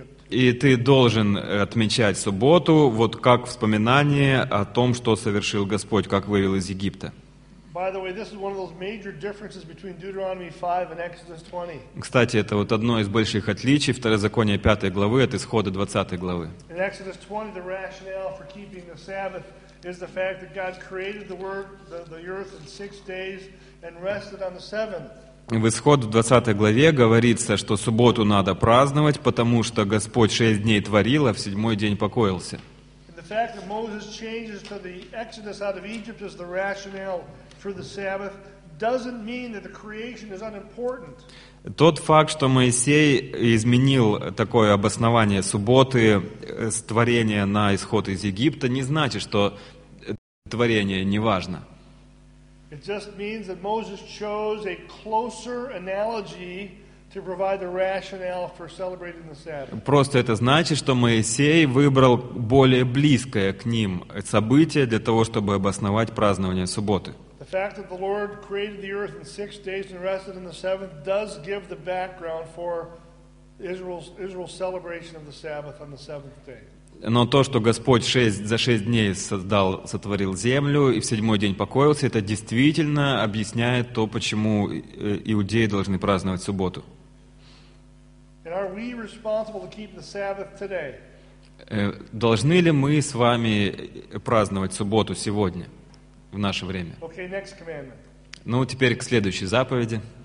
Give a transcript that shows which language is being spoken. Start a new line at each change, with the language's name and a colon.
Russian: И ты должен отмечать субботу, вот как вспоминание о том, что совершил Господь, как вывел из Египта. Кстати, это вот одно из больших отличий Второзакония 5 главы от Исхода 20 главы.
English: In Exodus 20, the rationale for keeping the Sabbath is the fact that God created the world, the earth in 6 days and rested on the seventh.
Russian: В Исход в 20 главе говорится, что субботу надо праздновать, потому что Господь 6 дней творил, а в 7-й день покоился.
English: And the fact that Moses changes to the Exodus out of Egypt is the rationale. For the Sabbath, doesn't mean that the creation is unimportant.
Russian: Тот факт, что Моисей изменил такое обоснование субботы, творения на исход из Египта, не значит, что творение не важно.
English: It just means that Moses chose a closer analogy to provide the rationale for celebrating the Sabbath.
Russian: Просто это значит, что Моисей выбрал более близкое к ним событие для того, чтобы обосновать празднование субботы.
English: The fact that the Lord created the earth in 6 days and rested on the seventh does give the background for Israel's celebration of the Sabbath on the seventh day.
Russian: Но то, что Господь за шесть дней сотворил землю и в седьмой день покоился, это действительно объясняет то, почему иудеи должны праздновать субботу.
English: And are we responsible to keep the Sabbath today?
Russian: Должны ли мы с вами праздновать субботу сегодня, в наше время?
English: Okay, next commandment.
Russian: Ну, теперь к следующей заповеди.